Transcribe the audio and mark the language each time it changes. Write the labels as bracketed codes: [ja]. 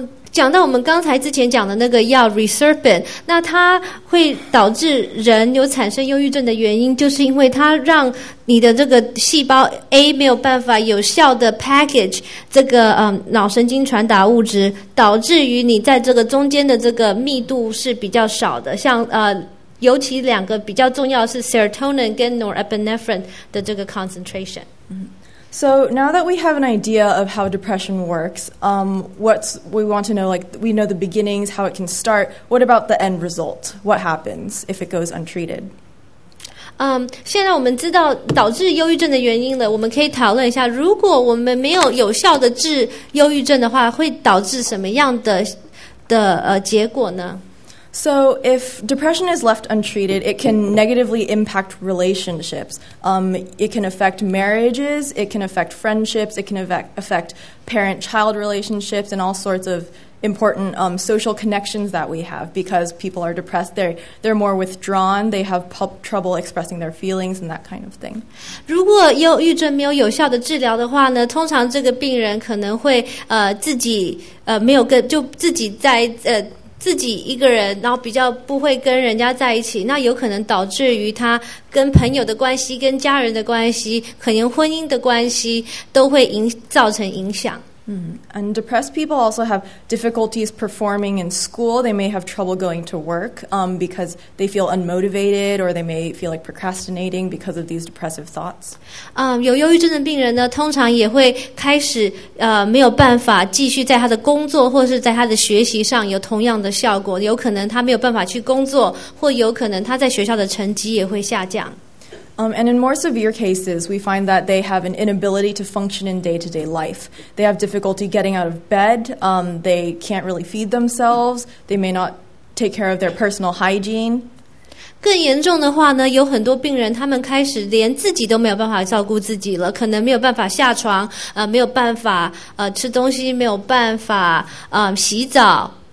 [zh] 讲到我们刚才之前讲的那个药 reserpine， 那它会导致人有产生忧郁症的原因，就是因为它让你的这个细胞 A 没有办法有效的 package 这个脑神经传达物质，导致于你在这个中间的这个密度是比较少的，像尤其两个比较重要的是 serotonin 跟 norepinephrine 的这个 concentration。 [en] So now that we have an idea of how depression works, we want to know, like, we know the beginnings, how it can start. What about the end result? What happens if it goes untreated? [zh] 现在我们知道导致忧郁症的原因了，我们可以讨论一下，如果我们没有有效的治忧郁症的话，会导致什么样的结果呢？ [en] So if depression is left untreated, it can negatively impact relationships. It can affect marriages, it can affect friendships, it can affect parent-child relationships and all sorts of important social connections that we have, because people are depressed, they're more withdrawn, they have trouble expressing their feelings and that kind of thing. [zh] 如果忧郁症没有有效的治疗的话呢，通常这个病人可能会自己没有跟就自己在自己一个人，然后比较不会跟人家在一起，那有可能导致于他跟朋友的关系、跟家人的关系、可能婚姻的关系都会造成影响。 [en] And depressed people also have difficulties performing in school. They may have trouble going to work because they feel unmotivated, or they may feel like procrastinating because of these depressive thoughts. [zh] 有忧郁症的病人呢，通常也会开始没有办法继续在他的工作或是在他的学习上有同样的效果。有可能他没有办法去工作，或有可能他在学校的成绩也会下降。 [en] And in more severe cases, we find that they have an inability to function in day-to-day life. They have difficulty getting out of bed. They can't really feed themselves. They may not take care of their personal hygiene. [zh] 更严重的话呢，有很多病人他们开始连自己都没有办法照顾自己了，可能没有办法下床，没有办法吃东西，没有办法洗澡。